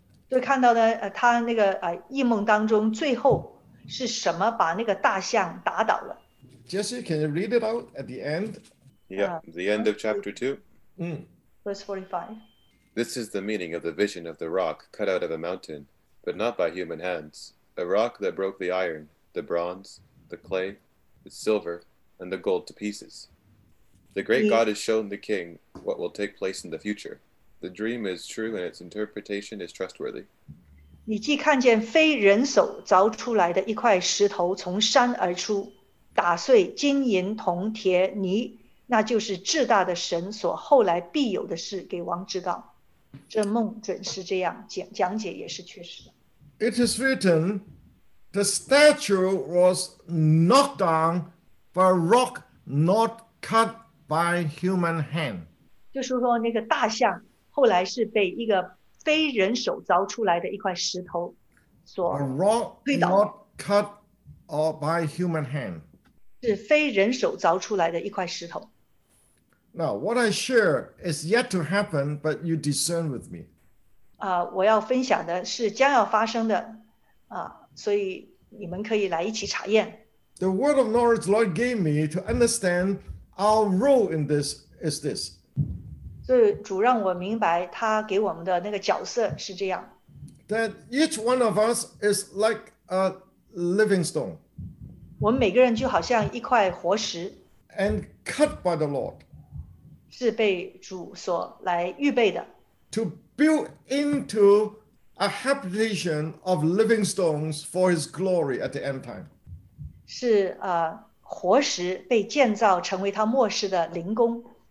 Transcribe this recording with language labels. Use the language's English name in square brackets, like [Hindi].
[Chinese] 就看到呢他那个异梦当中最后是什么把那个大象打倒了。 [English] Jesse, can you read it out at the end? Yeah, the end of chapter 2. Verse 45. This is the meaning of the vision of the rock cut out of a mountain, but not by human hands. A rock that broke the iron, the bronze, the clay, the silver, and the gold to pieces. The great God has shown the king what will take place in the future. The dream is true and its interpretation is trustworthy. [Chinese] 你既看见非人手凿出来的一块石头从山而出。打碎金银铜铁泥，那就是至大的神所后来必有的事，给王知道。这梦准是这样讲解，也是确实的。 [English] It is written, the statue was knocked down by a rock not cut by human hand. [Chinese] 就是说，那个大象后来是被一个非人手凿出来的一块石头所推倒。 [English] A rock not cut by human hand. [Chinese] 是非人手凿出来的一块石头。 [English] Now, what I share is yet to happen, but you discern with me. [Chinese] 我要分享的是将要发生的，所以你们可以来一起查验。 [English] The word of knowledge Lord gave me to understand our role in this is this. [Chinese] 所以主让我明白他给我们的那个角色是这样。 [English] That each one of us is like a living stone. [Chinese] 我们每个人就好像一块活石 [English] ，and cut by the Lord， [Chinese] 是被主所来预备的 [English] ，to build into a habitation of living stones for His glory at the end time， [Chinese] 是活石被建造成为他末世的灵宫